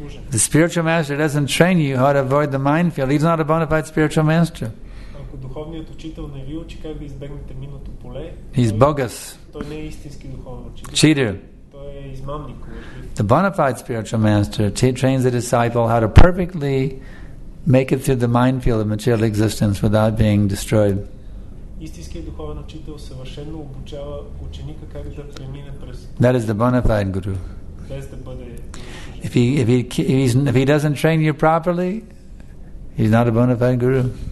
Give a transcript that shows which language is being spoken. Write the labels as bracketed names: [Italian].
[English] The spiritual master doesn't train you how to avoid the minefield. He's not a bona fide spiritual master. [Bulgarian] Духовният учител не ви учи как да избегнете минното поле. [English] He's bogus. [Bulgarian] Той не е истински духовен учител. [English] Cheater. [Bulgarian] Той е измамник. [English] The bona fide spiritual master trains the disciple how to perfectly make it through the minefield of material existence without being destroyed. [Bulgarian] Истинският духовен учител съвършено обучава ученика как да премине през. [English] That is the bona fide guru. [Bulgarian] Без да бъде. [English] If he doesn't train you properly, he's not a bona fide guru.